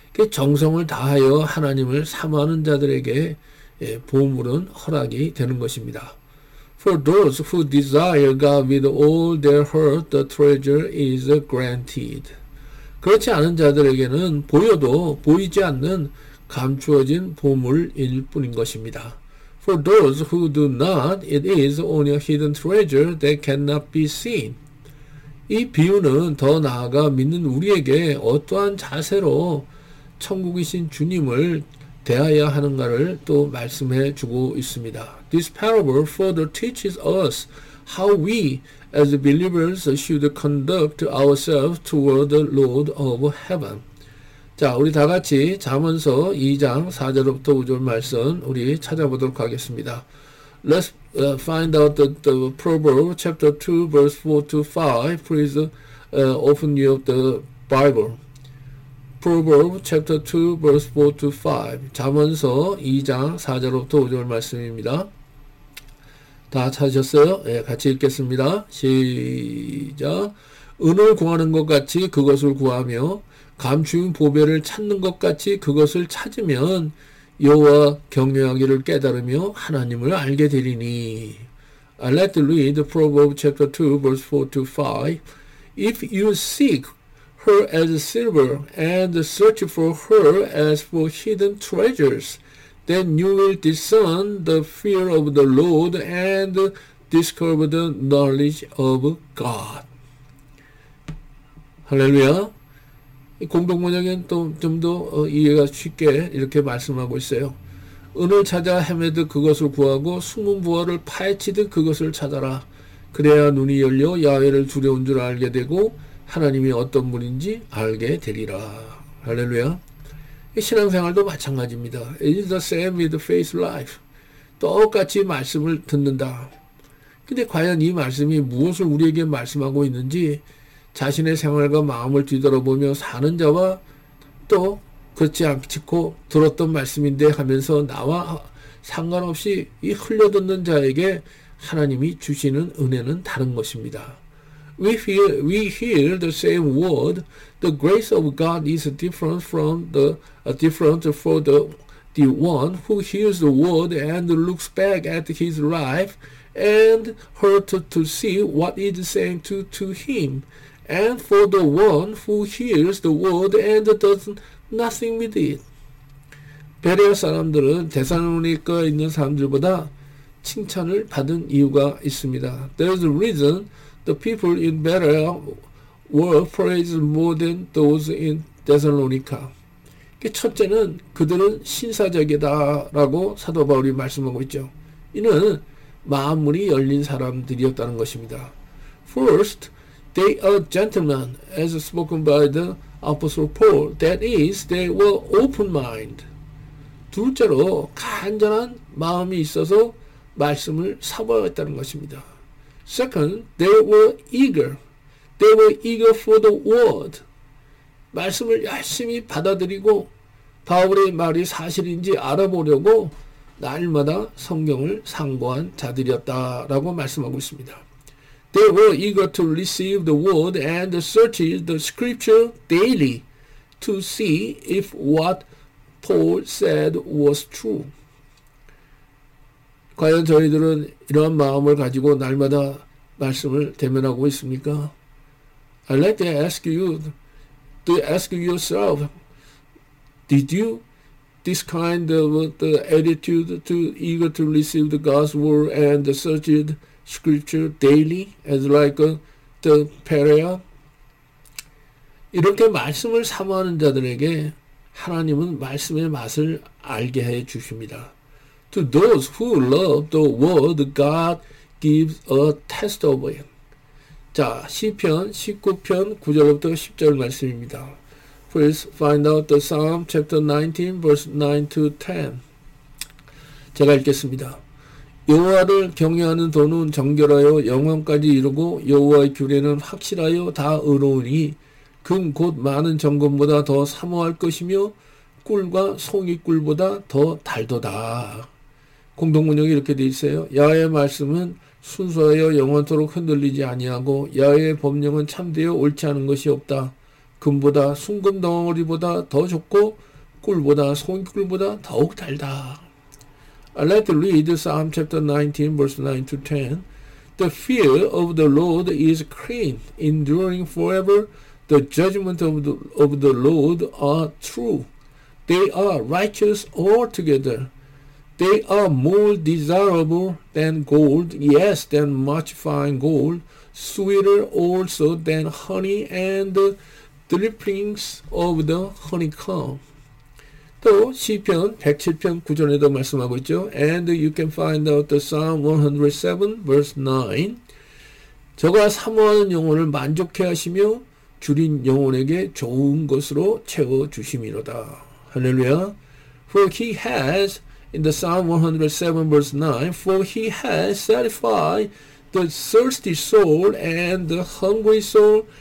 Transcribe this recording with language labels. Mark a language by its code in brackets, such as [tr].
[ko] 정성을 다하여 하나님을 사모하는 자들에게 보물은 허락이 되는 것입니다. [en] For those who desire God with all their heart, the treasure is granted. [ko] 그렇지 않은 자들에게는 보여도 보이지 않는 감추어진 보물일 뿐인 것입니다. [en] For those who do not, it is only a hidden treasure that cannot be seen. [ko] 이 비유는 더 나아가 믿는 우리에게 어떠한 자세로 천국이신 주님을 대해야 하는가를 또 말씀해 주고 있습니다. [en] This parable further teaches us how we as believers should conduct ourselves toward the Lord of heaven. [ko] 자, 우리 다 같이 잠언서 2장 4절부터 5절 말씀 우리 찾아보도록 하겠습니다. [en] Let's find out the Proverbs chapter 2 verse 4 to 5. Please open your the Bible. Proverbs chapter 2 verse 4 to 5. [ko] 잠언서 2장 4절부터 5절 말씀입니다. 다 찾으셨어요? 예, 네, 같이 읽겠습니다. 시작. 은을 구하는 것 같이 그것을 구하며 감추인 보배를 찾는 것 같이 그것을 찾으면 여호와 경외하기를 깨달으며 하나님을 알게 되리니. [en] Let's read Proverbs chapter 2 verse 4 to 5. If you seek her as silver, and search for her as for hidden treasures, then you will discern the fear of the Lord and discover the knowledge of God. [ko] 할렐루야. 공동 번역은 또 좀 더 이해가 쉽게 이렇게 말씀하고 있어요. 은을 찾아 헤매듯 그것을 구하고 숨은 보화를 파헤치듯 그것을 찾아라. 그래야 눈이 열려 야훼를 두려운 줄 알게 되고 하나님이 어떤 분인지 알게 되리라. 할렐루야. 신앙생활도 마찬가지입니다. [en] It is the same with faith life. [ko] 똑같이 말씀을 듣는다. 근데 과연 이 말씀이 무엇을 우리에게 말씀하고 있는지 자신의 생활과 마음을 뒤돌아보며 사는 자와 또 그렇지 않고 들었던 말씀인데 하면서 나와 상관없이 이 흘려듣는 자에게 하나님이 주시는 은혜는 다른 것입니다. [en] We hear the same word. The grace of God is different from the different for the one who hears the word and looks back at his life and hurt to see what it is saying to him. And for the one who hears the word and does nothing with it. [ko] 베레아 사람들은 데살로니가 있는 사람들보다 칭찬을 받은 이유가 있습니다. [en] There is a reason. The people in Berea were praised more than those in Thessalonica. [ko] 첫째는 그들은 신사적이다라고 사도 바울이 말씀하고 있죠. 이는 마음문이 열린 사람들이었다는 것입니다. [en] First, they are gentlemen, as spoken by the Apostle Paul. That is, they were open-minded. [ko] 둘째로 간절한 마음이 있어서 말씀을 사모했다는 것입니다. [en] Second, they were eager. They were eager for the word. [ko] 말씀을 열심히 받아들이고 바울의 말이 사실인지 알아보려고 날마다 성경을 상고한 자들이었다라고 말씀하고 있습니다. [en] They were eager to receive the word and search the scripture daily to see if what Paul said was true. [ko] 과연 저희들은 이러한 마음을 가지고 날마다 말씀을 대면하고 있습니까? [en] I'd like to ask you to ask yourself, did you this kind of the attitude to eager to receive the God's word and search it scripture daily as like the prayer? [ko] 이렇게 말씀을 사모하는 자들에게 하나님은 말씀의 맛을 알게 해 주십니다. [en] To those who love the word, God gives a test of it. [ko] 자, 시편 19편 9절부터 10절 말씀입니다. [en] Please find out the Psalm chapter 19 verse 9 to 10. [ko] 제가 읽겠습니다. 여호와를 경외하는 도는 정결하여 영원까지 이르고 여호와의 규례는 확실하여 다 의로우니 금 곧 많은 정금보다 더 사모할 것이며 꿀과 송이 꿀보다 더 달도다. 공동번역이 이렇게 돼 있어요. 야훼의 말씀은 순수하여 영원토록 흔들리지 아니하고 야훼의 법령은 참되어 옳지 않은 것이 없다. 금보다 순금 덩어리보다 더 좋고 꿀보다 송이 꿀보다 더욱 달다. [en] I like to read Psalm chapter 19 verse 9 to 10. The fear of the Lord is clean, enduring forever. The judgment of the Lord are true. They are righteous altogether. They are more desirable than gold, yes, than much fine gold, sweeter also than honey and the drippings of the honeycomb. [ko] 또 시편 107편 9절에도 말씀하고 있죠. [en] And you can find out the Psalm 107 verse 9. [ko] 저가 사모하는 영혼을 만족해 하시며 주린 영혼에게 좋은 것으로 채워주심이로다. 할렐루야. [en] For he has, in the Psalm 107 verse 9, For he has satisfied the thirsty soul and the hungry soul.